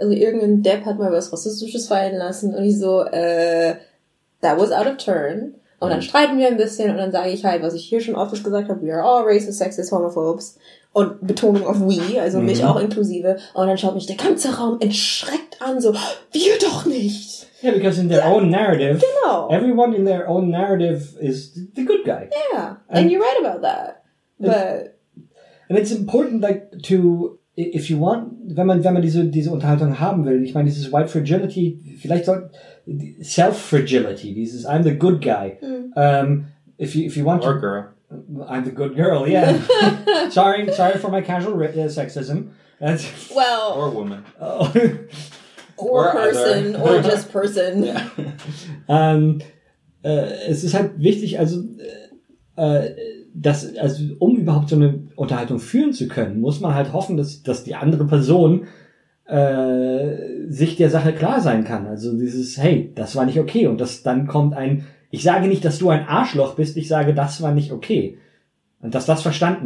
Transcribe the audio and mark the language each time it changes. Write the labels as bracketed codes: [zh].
[de] Also irgendein Depp hat mal was Rassistisches fallen lassen und ich so, [en] that was out of turn. [de] Und dann streiten wir ein bisschen und dann sage ich halt, was ich hier schon oft gesagt habe, [en] we are all racist, sexist, homophobes. [de] Und Betonung auf we, also mich auch inklusive. Und dann schaut mich der ganze Raum entschreckt an, so, wir doch nicht. [en] Yeah, because in their own narrative, everyone in their own narrative is the good guy. Yeah, and you're right about that. And it's important, like, to, if you want, [de] wenn man diese Unterhaltung haben will, ich meine, dieses white fragility, vielleicht so, self-fragility, dieses, [en] I'm the good guy. Mm. If you want or to. Or girl. I'm the good girl, yeah. sorry for my casual sexism. That's, well. Or woman. Or person, other. Or just person. Yeah. [de] Es ist halt wichtig, also, dass, also, um überhaupt so eine Unterhaltung führen zu können, muss man halt hoffen, dass die andere Person sich der Sache klar sein kann. Also dieses, hey, das war nicht okay. Und das, dann kommt ein, ich sage nicht, dass du ein Arschloch bist, ich sage, das war nicht okay. Und dass das verstanden